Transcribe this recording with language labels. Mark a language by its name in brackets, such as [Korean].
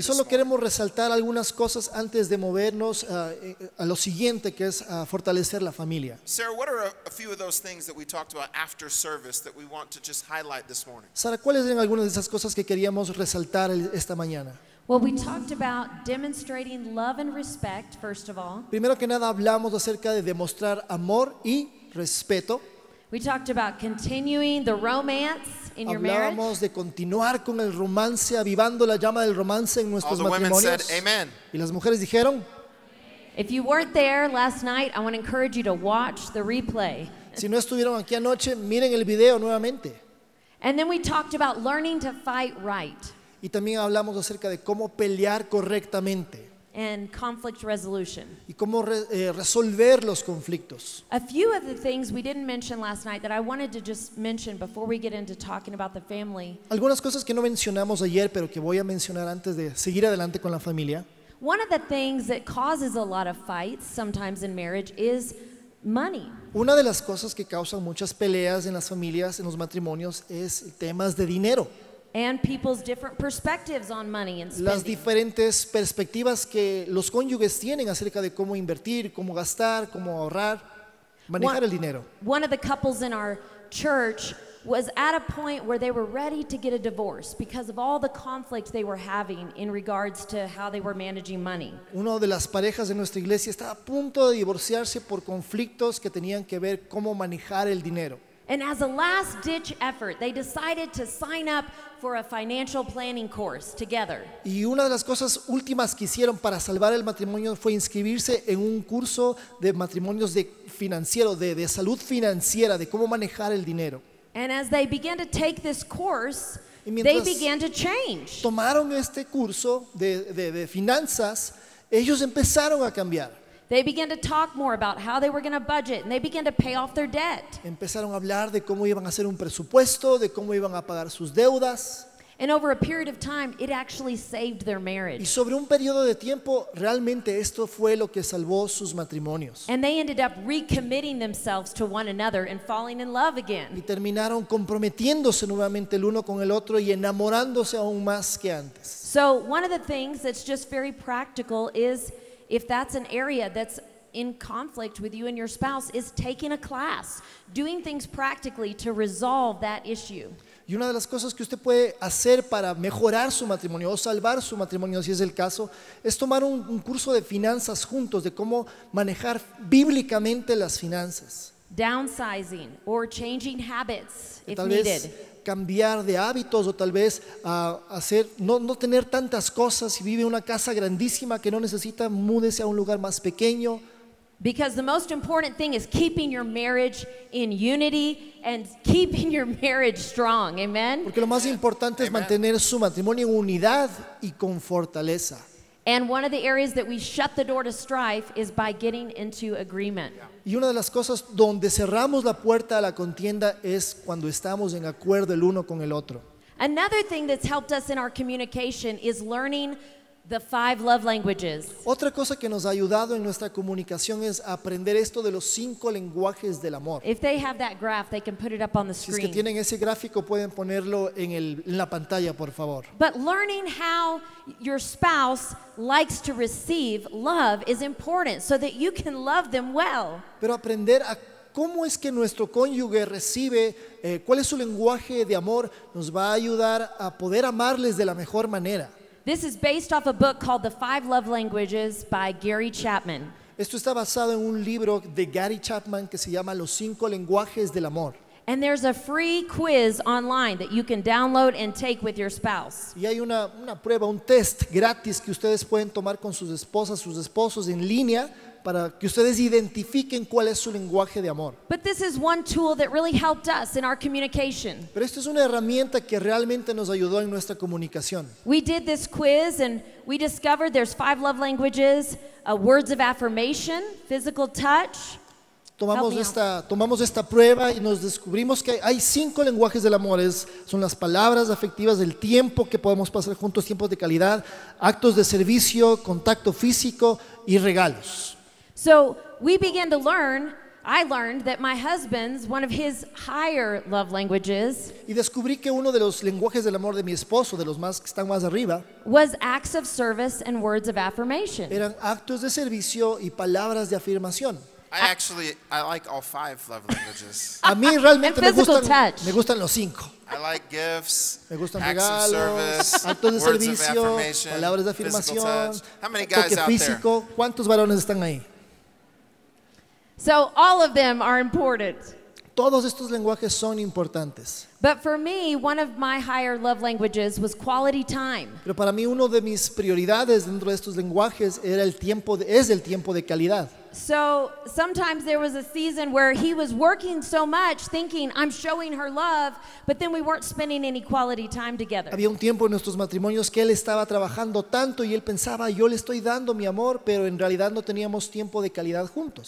[Spanish] Y solo queremos resaltar algunas cosas antes de movernos a lo siguiente, que es a fortalecer la familia. [English] Sarah, what are a few of those things that we talked about after service that we want to just highlight this morning? [Spanish] Sara, ¿cuáles eran algunas de esas cosas que queríamos resaltar esta mañana? [English] Well, we talked about demonstrating love and respect, first of all. [Spanish] Primero que nada, hablamos acerca de demostrar amor y respeto. [English] We talked about continuing the romance in your marriage. [Spanish] Hablamos de continuar con el romance, avivando la llama del romance en nuestros matrimonios. [English] All the women said amen. [Spanish] Y las mujeres dijeron. [English] If you weren't there last night, I want to encourage you to watch the replay. [Spanish] Si no estuvieron aquí anoche, miren el video nuevamente. [English] And then we talked about learning to fight right. [Spanish] Y también hablamos acerca de cómo pelear correctamente. [English] And conflict resolution. [Spanish] Y cómo resolver los conflictos. [English] A few of the things we didn't mention last night that I wanted to just mention before we get into talking about the family. [Spanish] Algunas cosas que no mencionamos ayer, pero que voy a mencionar antes de seguir adelante con la familia. [English] One of the things that causes a lot of fights sometimes in marriage is money. [Spanish] Una de las cosas que causan muchas peleas en las familias, en los matrimonios, es temas de dinero. [English] And people's different perspectives on money and spending. [Spanish] Las diferentes perspectivas que los cónyuges tienen acerca de cómo invertir, cómo gastar, cómo ahorrar, manejar el dinero. [English] One of the couples in our church was at a point where they were ready to get a divorce because of all the conflicts they were having in regards to how they were managing money. [Spanish] Uno de las parejas de nuestra iglesia estaba a punto de divorciarse por conflictos que tenían que ver cómo manejar el dinero. [English] And as a last ditch effort, they decided to sign up for a financial planning course together. [Spanish] Y una de las cosas últimas que hicieron para salvar el matrimonio fue inscribirse en un curso de matrimonios de financiero, de salud financiera, de cómo manejar el dinero. [English] And as they began to take this course, they began to change. [Spanish] Tomaron este curso de finanzas, ellos empezaron a cambiar. [English] They began to talk more about how they were going to budget, and they began to pay off their debt. [Spanish] Empezaron a hablar de cómo iban a hacer un presupuesto, de cómo iban a pagar sus deudas. [English] And over a period of time, it actually saved their marriage. [Spanish] Y sobre un periodo de tiempo, realmente esto fue lo que salvó sus matrimonios. [English] And they ended up recommitting themselves to one another and falling in love again. [Spanish] Y terminaron comprometiéndose nuevamente el uno con el otro y enamorándose aún más que antes. [English] So one of the things that's just very practical is if that's an area that's in conflict with you and your spouse, is taking a class, doing things practically to resolve that issue. [Spanish] Y una de las cosas que usted puede hacer para mejorar su matrimonio o salvar su matrimonio, si es el caso, es tomar un curso de finanzas juntos, de cómo manejar bíblicamente las finanzas. [English] Downsizing or changing habits if [Spanish] tal vez [English] needed. [Spanish] Cambiar de hábitos o tal vez hacer no tener tantas cosas. Si vive en una casa grandísima que no necesita, múdese a un lugar más pequeño. [English] Because the most important thing is keeping your marriage in unity and keeping your marriage strong. Amen. [Spanish] Porque lo más importante es mantener su matrimonio en unidad y con fortaleza. [English] And one of the areas that we shut the door to strife is by getting into agreement. [Spanish] Y una de las cosas donde cerramos la puerta a la contienda es cuando estamos en acuerdo el uno con el otro. [English] Another thing that's helped us in our communication is learning the five love languages. [Spanish] Otra cosa que nos ha ayudado en nuestra comunicación es aprender esto de los cinco lenguajes del amor. [English] If they have that graph, they can put it up on the screen. [Spanish] Si es que tienen ese gráfico, pueden ponerlo en la pantalla, por favor. [English] But learning how your spouse likes to receive love is important so that you can love them well. [Spanish] Pero aprender a cómo es que nuestro cónyuge recibe, cuál es su lenguaje de amor, nos va a ayudar a poder amarles de la mejor manera. [English] This is based off a book called The Five Love Languages by Gary Chapman. [Spanish] Esto está basado en un libro de Gary Chapman que se llama Los Cinco Lenguajes del Amor. [English] And there's a free quiz online that you can download and take with your spouse. [Spanish] Y hay una prueba, un test gratis que ustedes pueden tomar con sus esposas, sus esposos en línea para que ustedes identifiquen cuál es su lenguaje de amor. [English] But this is one tool that really helped us in our communication. [Spanish] Pero esto es una herramienta que realmente nos ayudó en nuestra comunicación. [English] We did this quiz and we discovered there's five love languages, words of affirmation, physical touch. [Spanish] Tomamos esta prueba y nos descubrimos que hay cinco lenguajes del amor. Son las palabras afectivas, el tiempo que podemos pasar juntos, tiempos de calidad, actos de servicio, contacto físico y regalos. [English] So we began to learn, I learned that my husband's, one of his higher love languages, [Spanish] y descubrí que uno de los lenguajes del amor de mi esposo, de los más que están más arriba, [English] was acts of service and words of affirmation. [Spanish] Eran actos de servicio y palabras de afirmación. [English] I like all five love languages. [Spanish] A mí realmente me gustan los cinco. [English] I like gifts. [Spanish] Me gustan [English] acts [Spanish] regalos, [English] of service, [Spanish] actos de [English] words [Spanish] servicio, [English] of affirmation, [Spanish] palabras de afirmación, [English] physical touch. How many guys [Spanish] toque físico, [English] out there? [Spanish] ¿Cuántos varones están ahí? [English] So all of them are important. [Spanish] Todos estos lenguajes son importantes. [English] But for me, one of my higher love languages was quality time. [Spanish] Pero para mí uno de mis prioridades dentro de estos lenguajes era el tiempo de calidad. [English] So sometimes there was a season where he was working so much thinking I'm showing her love, but then we weren't spending any quality time together. [Spanish] Había un tiempo en nuestros matrimonios que él estaba trabajando tanto y él pensaba yo le estoy dando mi amor, pero en realidad no teníamos tiempo de calidad juntos.